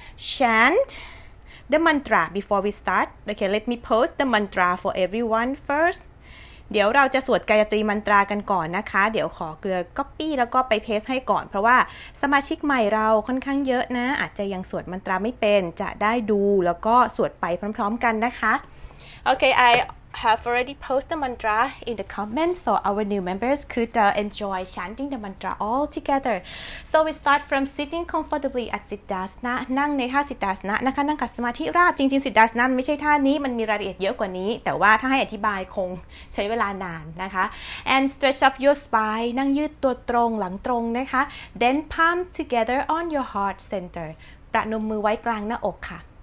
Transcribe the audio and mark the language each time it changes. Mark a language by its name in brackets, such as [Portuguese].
[English] chant the mantra before we start okay let me post the mantra for everyone first [Thai] เดี๋ยวเราจะสวดกายตรีมันตรากันก่อนนะคะเดี๋ยวขอเกลือก๊อปปี้แล้วก็ไปเพสให้ก่อนเพราะว่าสมาชิกใหม่เราค่อนข้างเยอะนะอาจจะยังสวดมันตราไม่เป็นจะได้ดูแล้วก็สวดไปพร้อมๆกันนะคะ [English] Okay I have already posted the mantra in the comments so our new members could enjoy chanting the mantra all together so we start from sitting comfortably at Siddhasana [Thai] นั่งในท่าSiddhasanaนะคะนั่งขัดสมาธิราบจริงๆSiddhasanaไม่ใช่ท่านี้มันมีรายละเอียดเยอะกว่านี้แต่ว่าถ้าให้อธิบายคงใช้เวลานานนะคะ [English] and stretch up your spine [Thai] นั่งยืดตัวตรงหลังตรงนะคะ [English] then palms together on your heart center [Thai] ประนมมือไว้กลางหน้าอกค่ะ